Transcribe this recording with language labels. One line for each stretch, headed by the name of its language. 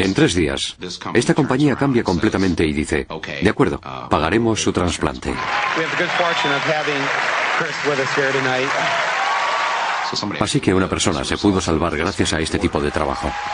Spanish: En tres días, esta compañía cambia completamente y dice, de acuerdo, pagaremos su trasplante.
English: We have the good fortune of having Chris with us here tonight.
Spanish: Así que una persona se pudo salvar gracias a este tipo de trabajo.